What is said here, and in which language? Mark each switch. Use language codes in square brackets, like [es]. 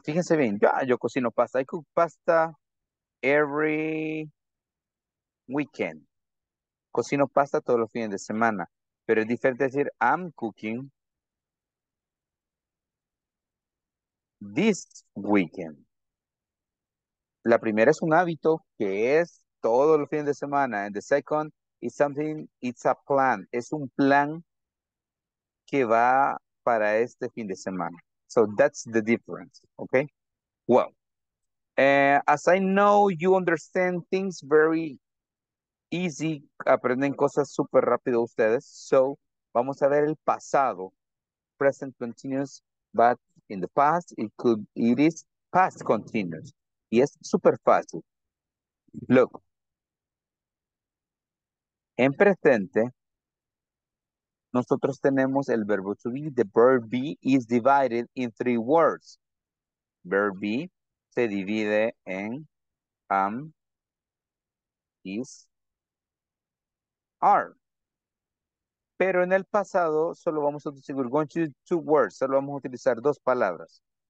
[es] Fíjense bien, yo cocino pasta. [en] I cook pasta every weekend. [es] Cocino pasta todos los fines de semana. Pero es diferente decir [en] I'm cooking this weekend. [es] La primera es un hábito que es todos los fines de semana. [en] And the second is something, it's a plan. [es] Es un plan que va para este fin de semana. [en] So that's the difference, okay? Well, as I know, you understand things very easy. [es] Aprenden cosas super rápido ustedes. So vamos a ver el pasado, [en] present continuous, but in the past, it is [es] past continuous. Y es súper fácil. Look. En presente, nosotros tenemos el verbo to be. [en] The verb be is divided in three words. [es] Verb be se divide en am, is, are. Pero en el pasado solo vamos a utilizar [en] two words, [es] solo vamos a utilizar dos palabras.